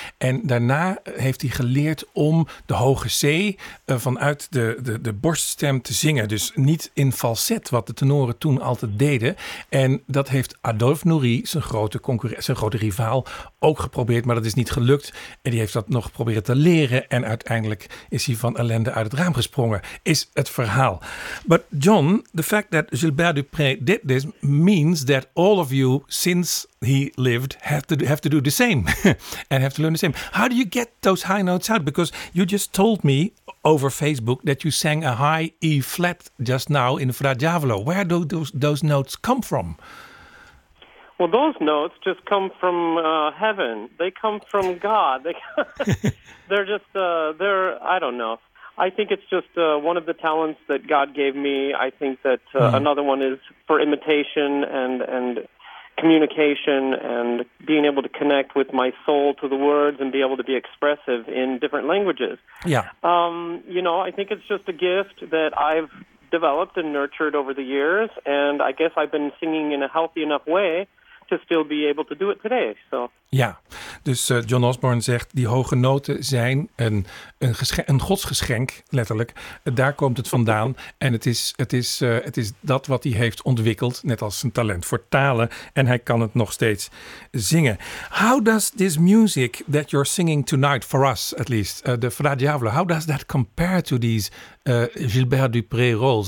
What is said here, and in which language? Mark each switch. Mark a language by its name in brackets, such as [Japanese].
[Dutch] En daarna heeft hij geleerd om de hoge C vanuit de borststem te zingen. Dus niet in falset, wat de tenoren toen altijd deden. En dat heeft Adolphe Nourry, zijn grote rivaal, ook geprobeerd. Maar dat is niet gelukt. En die heeft dat nog geprobeerd te leren. En uiteindelijk is hij van ellende uit het raam gesprongen, is het verhaal. [English] But John, the fact that Gilbert Dupré did this means that all of you, since he lived, have to do the same and have to learn the same. How do you get those high notes out? Because you just told me over Facebook that you sang a high E flat just now in Fra Diavolo. Where do those notes come from? Well, those notes just come from heaven. They come from God. They're just, I don't know. I think it's just one of the talents that God gave me. I think that another one is for imitation and communication and being able to connect with my soul to the words and be able to be expressive in different languages. Yeah. You know, I think it's just a gift that I've developed and nurtured over the years, and I guess I've been singing in a healthy enough way to still be able to do it today. So. [Dutch] Ja, dus John Osborne zegt, die hoge noten zijn een godsgeschenk, letterlijk. Daar komt het vandaan. En het is dat wat hij heeft ontwikkeld, net als zijn talent voor talen. En hij kan het nog steeds zingen. [English] How does this music that you're singing tonight, for us at least, the Fra Diavolo, how does that compare to these Gilbert Dupré roles?